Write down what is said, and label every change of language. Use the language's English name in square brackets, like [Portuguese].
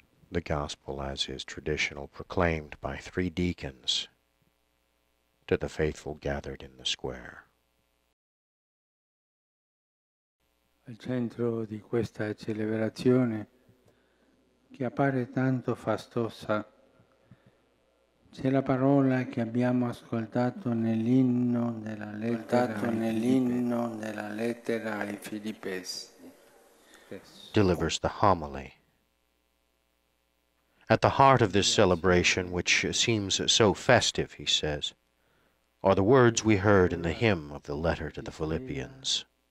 [English] The Gospel, as is traditional, proclaimed by three deacons to the faithful gathered in the square. [Italian] Al centro di questa celebrazione, che appare tanto fastosa, c'è la parola che abbiamo ascoltato nell'inno della lettera, nell'inno della lettera ai Filippesi. [English] Delivers the homily. At the heart of this celebration, which seems so festive, he says, are the words we heard in the hymn of the letter to the Philippians.